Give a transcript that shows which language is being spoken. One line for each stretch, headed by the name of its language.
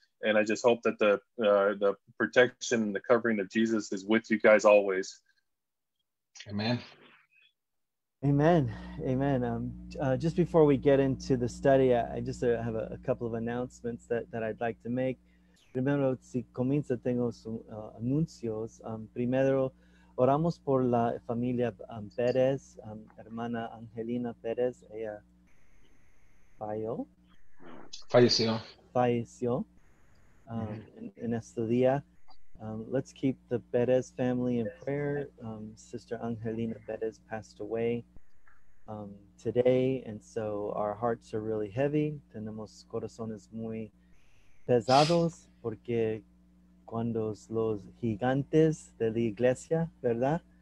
English: And I just hope that the protection and the covering of Jesus is with you guys always. Amen. Amen. Amen. Just before we get into the study, I have a couple of announcements that I'd like to make.
Spanish: Primero, si comienza, tengo sus anuncios. Primero, oramos por la familia Pérez, hermana Angelina Pérez. Ella falleció. En este día.
English: Let's keep the Pérez family in prayer. Sister Angelina Pérez passed away today, and so our hearts are really heavy.
Spanish: Tenemos corazones muy pesados porque cuando los gigantes de la iglesia, ¿verdad?